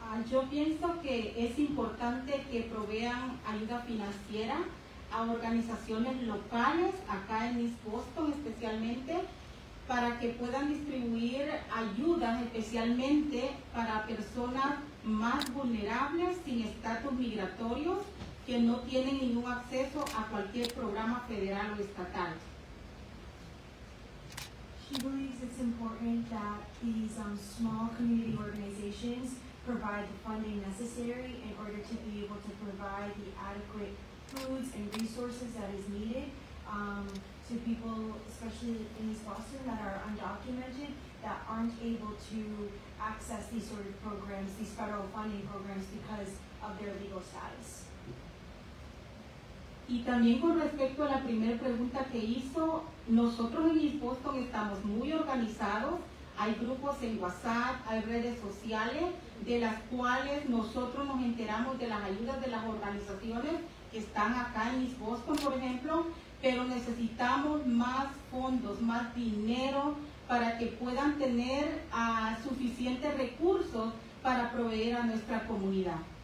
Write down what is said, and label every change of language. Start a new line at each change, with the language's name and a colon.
Spanish: Yo pienso que es importante que provean ayuda financiera a organizaciones locales acá en East Boston especialmente para que puedan distribuir ayudas especialmente para personas más vulnerables sin estatus migratorios que no tienen ningún acceso a cualquier programa federal o estatal.
English: She believes it's important that these small community organizations provide the funding necessary in order to be able to provide the adequate foods and resources that is needed to people, especially in East Boston, that are undocumented, that aren't able to access these sort of programs, these federal funding programs, because of their legal status.
Spanish: Y también con respecto a la primera pregunta que hizo, nosotros en East Boston estamos muy organizados. Hay grupos en WhatsApp, hay redes sociales, de las cuales nosotros nos enteramos de las ayudas de las organizaciones que están acá en East Boston, por ejemplo, pero necesitamos más fondos, más dinero para que puedan tener suficientes recursos para proveer a nuestra comunidad.